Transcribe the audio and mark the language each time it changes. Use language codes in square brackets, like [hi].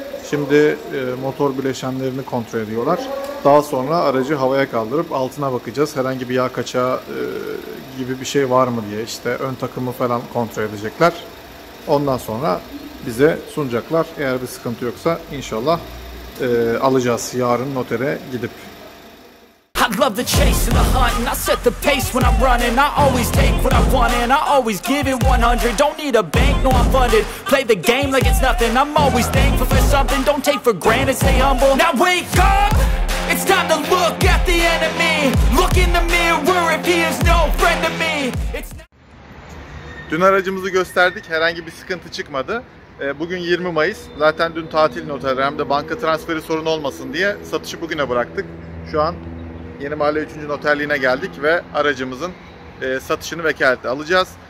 [tr] Şimdi motor bileşenlerini kontrol ediyorlar. Daha sonra aracı havaya kaldırıp altına bakacağız. Herhangi bir yağ kaçağı gibi bir şey var mı diye. İşte ön takımı falan kontrol edecekler. Ondan sonra bize sunacaklar. Eğer bir sıkıntı yoksa inşallah alacağız. Yarın notere gidip. [en] Love the chase and the hunt, and I set the pace when I'm running. I always take what I want, and I always give it 100. Don't need a bank, no, I'm funded. Play the game like it's nothing. I'm always thankful for something. Don't take for granted, stay humble. Now wake up, it's time to look at the enemy. Look in the mirror if he is no friend to me. [tr] Dün aracımızı gösterdik, herhangi bir sıkıntı çıkmadı. Bugün 20 Mayıs, zaten dün tatil noter, hem de banka transferi sorun olmasın diye satışı bugüne bıraktık. Şu an Yeni Mahalle 3. Noterliğine geldik ve aracımızın satışını vekalette alacağız.